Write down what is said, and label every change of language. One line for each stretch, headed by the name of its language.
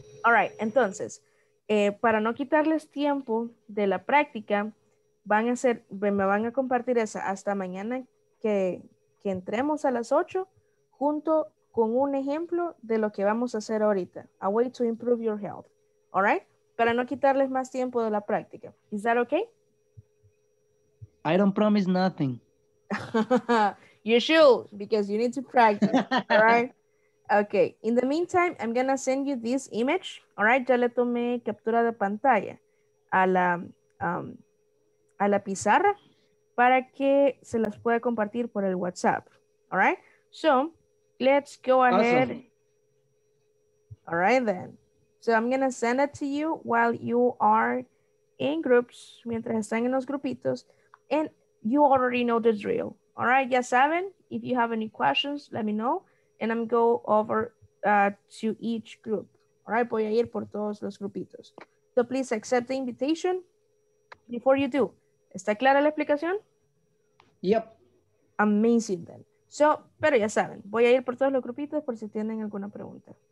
Spanish: All right, entonces, para no quitarles tiempo de la práctica, me van a compartir esa hasta mañana que entremos a las 8 junto con un ejemplo de lo que vamos a hacer ahorita.
English: A way to improve your health.
Spanish: All right, para no quitarles más tiempo de la práctica.
English: Is that okay? I don't promise nothing. You should, because you need to practice, all right? Okay, in the meantime, I'm gonna send you this image.
Spanish: All right, ya le tomé captura de pantalla a la pizarra para que se las pueda compartir por el WhatsApp.
English: All right, so let's go ahead. Awesome. All right, then. So I'm gonna send it to you while you are in groups,
Spanish: mientras están en los grupitos,
English: and you already know the drill. All right,
Spanish: ya saben,
English: if you have any questions, let me know. And I'm go over to each group.
Spanish: All right, voy a ir por todos los grupitos.
English: So please accept the invitation before you do.
Spanish: ¿Está clara la explicación?
English: Yep. Amazing then.
Spanish: So, pero ya saben, voy a ir por todos los grupitos por si tienen alguna pregunta.